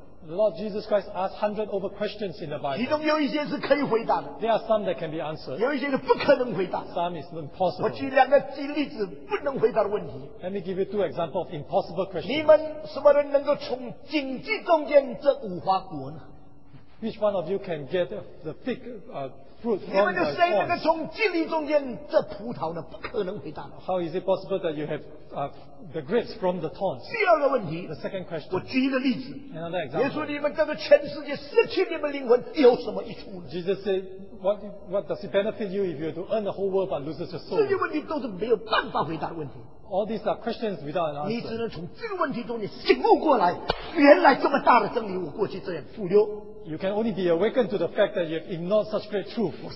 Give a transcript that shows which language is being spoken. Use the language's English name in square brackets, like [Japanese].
[English] The Lord Jesus Christ asked 100 over questions in the Bible. [Chinese] 其中有一些是可以回答的, [English] there are some that can be answered. [Chinese] 有一些是不可能回答的, [English] some is impossible. [Chinese] 我举两个例子不能回答的问题。 [English] Let me give you 2 examples of impossible questions. [Chinese] 你们什么人能够从荆棘中间这无花果呢? [English] Which one of you can get the fig fruit from the thorns? [Chinese] 你们就谁能够从荆棘中间这葡萄呢?不可能回答的。 [English] How is it possible that you have the grapes from the thorns? [Chinese] 第二个问题, [English] the second question. [Chinese] 我举一个例子, [English] another example. [Chinese] 耶稣你们得到全世界失去你们灵魂有什么益处呢? [English] Jesus said, what does it benefit you if you have to earn the whole world but loses your soul? [Chinese] 这些问题都是没有办法回答的问题。 [English] All these are questions without an answer. [Chinese] 你只能从这个问题中你醒悟过来，原来这么大的真理我过去这样忽略。 [English] You can only be awakened to the fact that you have ignored such great truth.